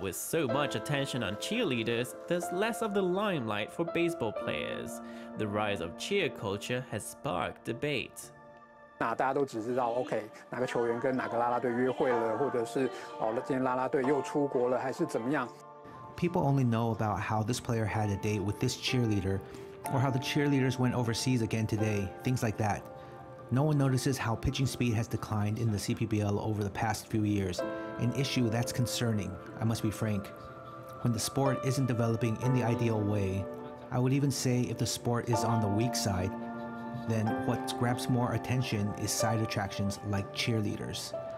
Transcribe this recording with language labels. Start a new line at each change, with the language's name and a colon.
English: with so much attention on cheerleaders, there's less of the limelight for baseball players. The rise of cheer culture has sparked debate.
Chinese: 那大家都只知道 OK 哪个球员跟哪个啦啦队约会了，或者是哦今天啦啦队又出国了，还是怎么样？
English: People only know about how this player had a date with this cheerleader, or how the cheerleaders went overseas again today, things like that. No one notices how pitching speed has declined in the CPBL over the past few years, an issue that's concerning, I must be frank. When the sport isn't developing in the ideal way, I would even say if the sport is on the weak side, then what grabs more attention is side attractions like cheerleaders.